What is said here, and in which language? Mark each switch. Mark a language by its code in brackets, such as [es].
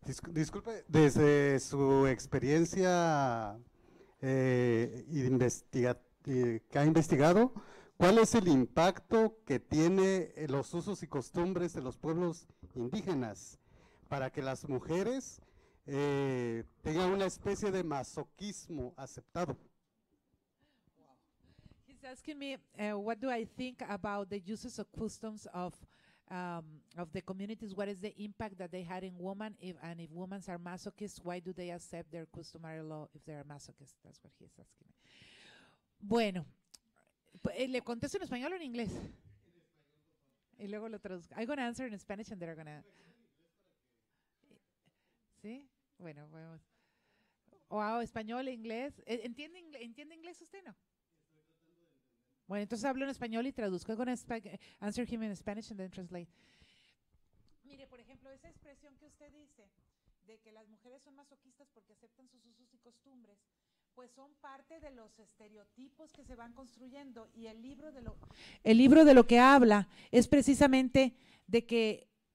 [es] Disculpe, desde su experiencia que ha investigado, ¿cuál es el impacto que tiene los usos y costumbres de los pueblos indígenas para que las mujeres tengan una especie de masoquismo aceptado? [en] Wow. He's asking me what do I think about the uses or customs of the communities, what is the impact that they had in women, if women are masochists, why do they accept their customary law if they are masochists? That's what he's asking me. [es] Bueno, le contesto en español o en inglés. Y luego lo traduzco. [en] I'm going to answer in Spanish and they're going to... [es] ¿Sí? Bueno, vamos. Wow, español, inglés. ¿Entiende inglés usted, no? Bueno, entonces hablo en español y traduzco. [en] I'm going to answer him in Spanish and then translate. [es] Mire, por ejemplo, esa expresión que usted dice de que las mujeres son masoquistas porque aceptan sus usos y costumbres, pues son parte de los estereotipos que se van construyendo, y el libro de lo que habla es precisamente de que,